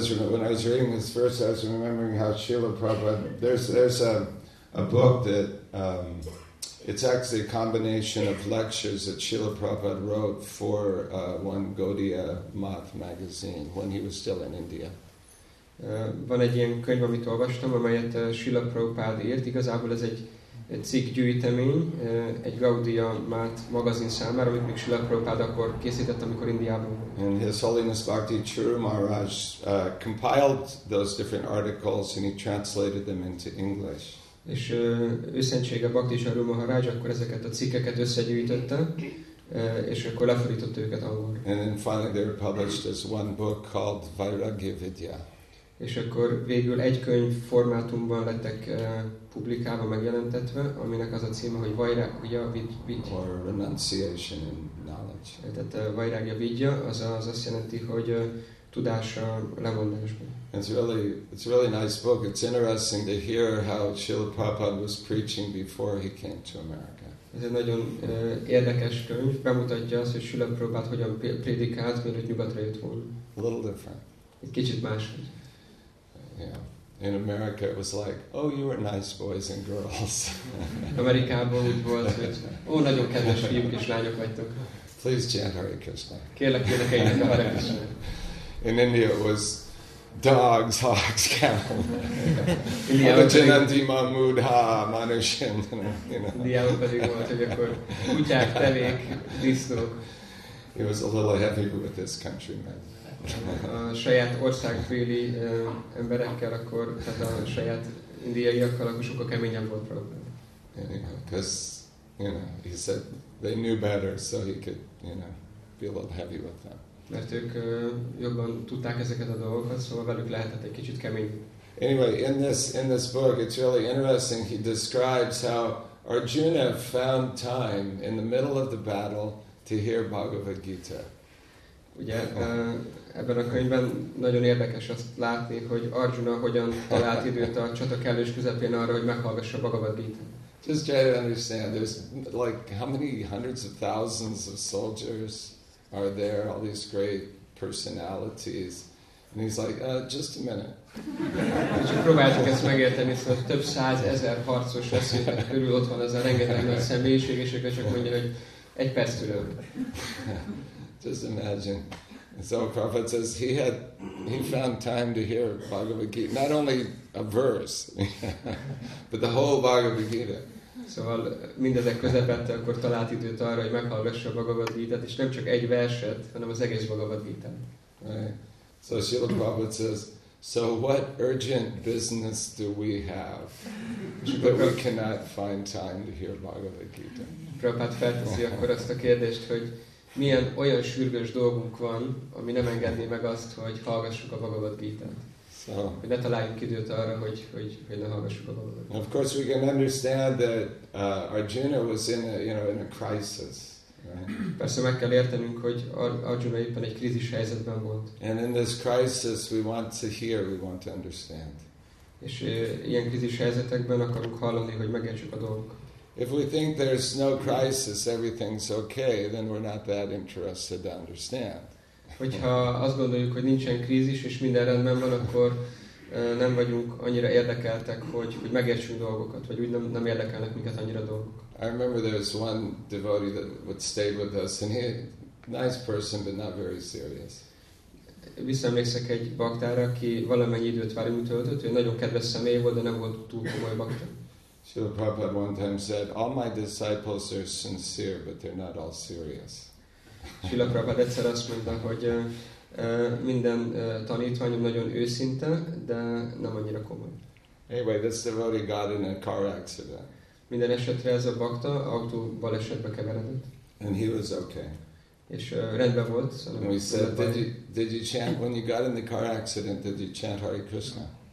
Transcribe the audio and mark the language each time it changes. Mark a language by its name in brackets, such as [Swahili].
[English] When I was reading this verse, I was remembering how Srila Prabhupada, there's a book that, it's actually a combination of lectures that Srila Prabhupada wrote for one Gaudiya Math magazine when he was still in India. [Hungarian] Van egy ilyen könyv, amit olvastam, amelyet Srila Prabhupada írt. Igazából ez egy cikkgyűjtemény, egy Gaudiya Math magazin számára, amit még Srila Prabhupád akkor készített, amikor Indiában volt. [English] And His Holiness Bhakti Churu Maharaj compiled those different articles and he translated them into English. [Hungarian] És őszentsége Bhakti Churu Maharaj akkor ezeket a cikkeket összegyűjtötte, és akkor lefordította őket angolra. [English] And then finally they were published as one book called Vairagya Vidya. [Hungarian] És akkor végül egy könyv formátumban lettek publikálva, megjelentetve, aminek az a címe, hogy Vairagya Vidya. [English] Or renunciation in knowledge. [Hungarian] Tehát Vairagya Vidya, az azt jelenti, hogy tudás a lemondásban. [English] It's really nice book. It's interesting to hear how Srila Prabhupada was preaching before he came to America. [Hungarian] Ez egy nagyon érdekes könyv. Bemutatja azt, hogy Srila Prabhupada hogyan prédikált, mielőtt nyugatra jött volna. [English] A little different. [Hungarian] Egy kicsit máshogy. [English] Yeah. In America it was like, oh, you were nice boys and girls. [Hungarian] Amerikában úgy volt, hogy ó, nagyon kedves fiúk és lányok vagytok. [English] Please chant Hare Krishna. [Hungarian] Kérlek, énekeljetek a Hare Krishna. [English] In India it was dogs, hawks, camels. [Sanskrit] Avacinanti mamudha, manushin. [Hungarian] Indiában pedig volt, hogy akkor kutyák, tevék, disznók. [English] He was a little heavy with his countrymen. [Hungarian] A saját országféli emberekkel akkor, tehát a saját indiaiakkal akkor sokkal keményebb volt Prabhupada. [English] Anyhow, because, you know, he said they knew better, so he could, you know, be a little heavy with them. [Hungarian] Mert ők jobban tudták ezeket a dolgokat, szóval velük lehetett egy kicsit kemény. [English] Anyway, in this book, it's really interesting, he describes how Arjuna found time in the middle of the battle to hear Bhagavad Gita. [Hungarian] Ugye ebben a könyvben nagyon érdekes azt látni, hogy Arjuna hogyan talált időt a csata kellős közepén arra, hogy meghallgassa Bhagavad Gita. [English] Just try to understand, there's like how many hundreds of thousands of soldiers are there, all these great personalities, and he's like, just a minute. [Hungarian] Csak próbáljátok ezt megérteni, szóval több száz ezer harcos lesz, hogy körül ott van ez a rengeteg nagy személyiség, és akkor csak mondja, hogy egy perc türelem. [English] Just imagine. So Prabhupada says he found time to hear Bhagavad Gita, not only a verse, but the whole Bhagavad Gita. [Hungarian] Szóval mindezek közepette akkor talált időt arra, hogy meghallgassa a Bhagavad Gita-t, és nem csak egy verset, hanem az egész Bhagavad Gita. [English] Right. So Srila Prabhupada says, so what urgent business do we have that we cannot find time to hear Bhagavad Gita? [Hungarian] Prabhupada felteszi akkor azt a kérdést, hogy milyen olyan sürgős dolgunk van, ami nem engedné meg azt, hogy hallgassuk a Bhagavad Gita-t. [English] So, [Hungarian] hogy ne találjunk időt arra, hogy ne hallgassuk a Bhagavad Gita-t. [English] Of course, we can understand that Arjuna was in a, you know, in a crisis. Right? [Hungarian] Persze meg kell értenünk, hogy Arjuna éppen egy krízis helyzetben volt. [English] And in this crisis, we want to hear, we want to understand. [Hungarian] És ilyen krízis helyzetekben akarunk hallani, hogy megértsük a dolgokat. [English] If we think there's no crisis, everything's okay, then we're not that interested to understand. [Hungarian] Hogyha azt gondoljuk, hogy nincsen krízis és minden rendben van, akkor nem vagyunk annyira érdekeltek, hogy megértsünk dolgokat, vagy úgy nem érdekelnek minket annyira dolgok. [English] I remember there was one devotee that would stay with us, and he nice person, but not very serious. [Hungarian] Visszaemlékszek egy baktára, aki valamennyi időt velünk töltött, ő nagyon kedves személy volt, de nem volt túl komoly baktár. [English] Srila Prabhupada one time said, all my disciples are sincere, but they're not all serious. [Hungarian] Srila Prabhupada egyszer azt mondta, hogy minden tanítványom nagyon őszinte, de nem annyira komoly. [English] Anyway, this devotee got in a car accident. [Hungarian] Minden esetre ez a bakta autó balesetbe keveredett. [English] And he was okay. [Hungarian] És rendben volt. [English] And we said, did you chant, when you got in the car accident, did you chant Hare Krishna?